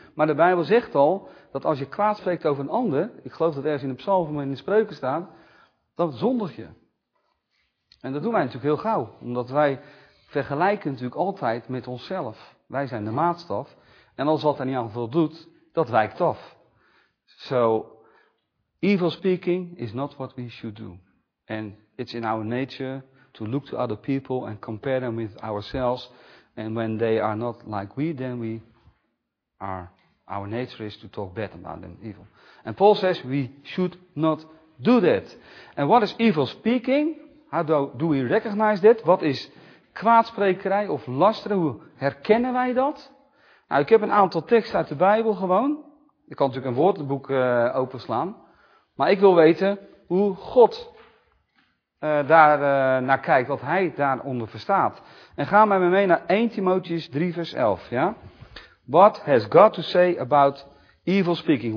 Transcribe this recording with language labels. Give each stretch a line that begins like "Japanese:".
Dutch: Maar de Bijbel zegt al, dat als je kwaad spreekt over een ander, ik geloof dat ergens in de psalmen en in de spreuken staat, dat zondig je. En dat doen wij natuurlijk heel gauw, omdat wij vergelijken natuurlijk altijd met onszelf. Wij zijn de maatstaf. En als wat er niet aan voldoet, dat wijkt af.
English: So, evil speaking is not what we should do. And it's in our nature to look to other people and compare them with ourselves. And when they are not like we, then we are, our nature is to talk bad about them, evil. And Paul says we should not do that. And what is evil speaking? How do we recognize that?
Dutch: Wat is kwaadsprekerij of lasteren? Hoe herkennen wij dat? Nou, ik heb een aantal teksten uit de Bijbel gewoon. Ik kan natuurlijk een woordenboek openslaan. Maar ik wil weten hoe God naar kijkt, wat hij daaronder verstaat. En ga met me mee naar 1 Timotheus 3 vers 11. Ja?
English: What has God to say about evil speaking?